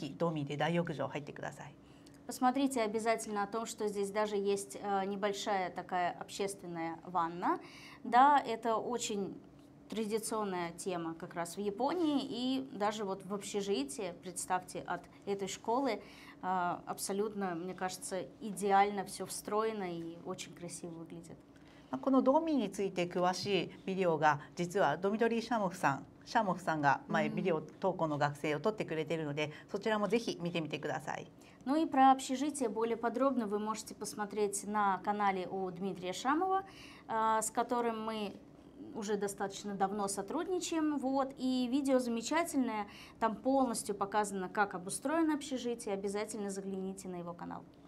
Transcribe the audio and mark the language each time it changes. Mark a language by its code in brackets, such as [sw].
[ja] 日本らしい大浴場なんかもあるので、もし日本のお風呂の文化を体験したかったら、ぜひドーミーで大浴場入ってください。 [ru] Посмотрите обязательно о том, что здесь даже есть небольшая такая общественная ванна. Да, это очень традиционная тема как раз в Японии, и даже вот в общежитии, представьте, от этой школы абсолютно, мне кажется, идеально все встроено и очень красиво выглядит. [ja] このドーミーについて詳しいビデオが実はドミトリーシャモフさんがビデオ投稿の学生を撮ってくれているので、そちらもぜひ見てみてください。 [ru] Ну и про общежитие более подробно вы можете посмотреть на канале у Дмитрия Шамова, с которым мы уже достаточно давно сотрудничаем, вот, и видео замечательное, там полностью показано, как обустроено общежитие, обязательно загляните на его канал.